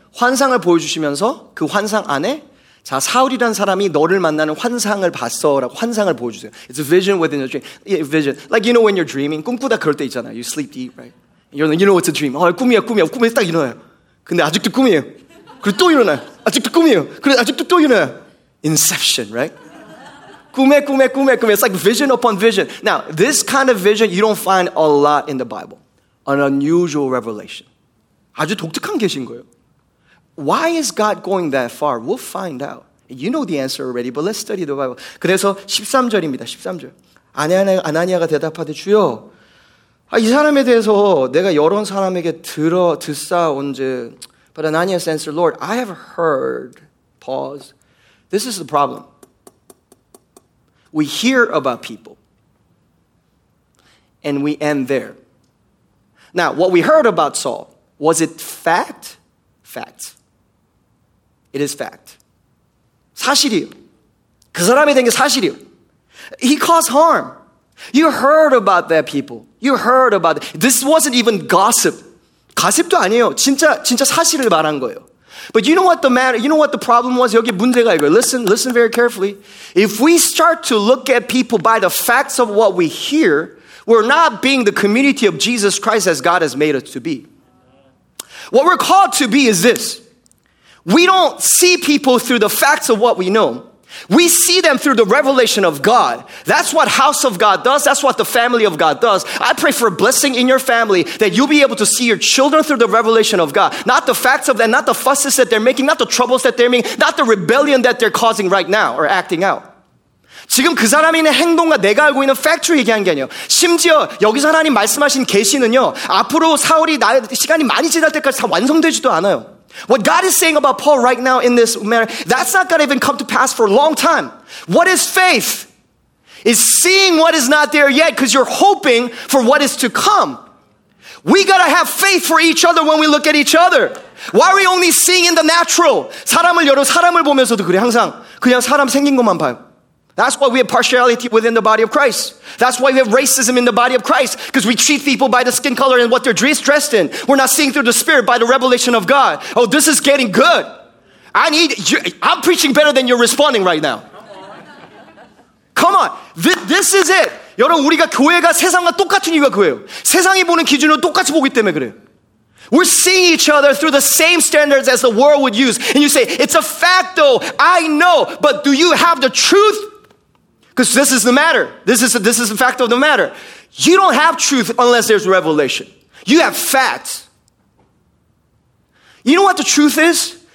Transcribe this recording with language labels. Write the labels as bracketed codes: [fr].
[ko] 환상을 보여주시면서 그 환상 안에 자 사울이란 사람이 너를 만나는 환상을 봤어라고 환상을 보여주세요. [en] It's a vision within a dream. Yeah, vision. Like you know when you're dreaming, [ko] 꿈꾸다 그럴 때 있잖아요. [en] You sleep deep, right? You know it's a dream. [ko] 어, 꿈이야. 꿈에 딱 일어나요. 근데 아직도 꿈이에요. 그리고 또 일어나요. 아직도 꿈이에요. 그리고 아직도 또 일어나요. [en] Inception, right? [ko] 꿈에. [en] It's like vision upon vision. Now, this kind of vision you don't find a lot in the Bible. An unusual revelation. [ko] 아주 독특한 계신 거예요. [en] Why is God going that far? We'll find out. You know the answer already, but let's study the Bible. [ko] 그래서 13절입니다. 13절. 아나니아가 대답하되 주여, 아, 이 사람에 대해서 내가 여러 사람에게 듣사온즉. [en] But Ananias answered, "Lord, I have heard." Pause. This is the problem. We hear about people, and we end there. Now, what we heard about Saul, was it fact? Fact. It is fact. [ko] 사실이요. 그 사람이 된 게 사실이요. [en] He caused harm. You heard about that people. You heard about it. This wasn't even gossip. [ko] 가십도 아니에요. 진짜 사실을 말한 거예요. [en] But you know what the matter, you know what the problem was? [ko] 여기 문제가 이거예요. [en] Listen very carefully. If we start to look at people by the facts of what we hear, we're not being the community of Jesus Christ as God has made us to be. What we're called to be is this. We don't see people through the facts of what we know. We see them through the revelation of God. That's what house of God does. That's what the family of God does. I pray for a blessing in your family that you'll be able to see your children through the revelation of God. Not the facts of them, not the fusses that they're making, not the troubles that they're making, not the rebellion that they're causing right now or acting out. [ko] 지금 그 사람이 있는 행동과 내가 알고 있는 팩트를 얘기한 게 아니에요. 심지어 여기서 하나님 말씀하신 계시는요. 앞으로 사울이 시간이 많이 지날 때까지 다 완성되지도 않아요. [en] What God is saying about Paul right now in this manner, that's not going to even come to pass for a long time. What is faith? It's seeing what is not there yet because you're hoping for what is to come. We got to have faith for each other when we look at each other. Why are we only seeing in the natural? [ko] 사람을 여러 사람을 보면서도 그래 항상 그냥 사람 생긴 것만 봐요. [en] That's why we have partiality within the body of Christ. That's why we have racism in the body of Christ. Because we treat people by the skin color and what they're dressed in. We're not seeing through the spirit by the revelation of God. Oh, this is getting good. I'm preaching better than you're responding right now. Come on. This is it. [ko] 여러분, 우리가 교회가 세상과 똑같은 이유가 그거예요. 세상이 보는 기준으로 똑같이 보기 때문에 그래요. [en] We're seeing each other through the same standards as the world would use. And you say, it's a fact though. I know. But do you have the truth? Because this is the matter. This is the fact of the matter. You don't have truth unless there's revelation. You have facts. You know what the truth is?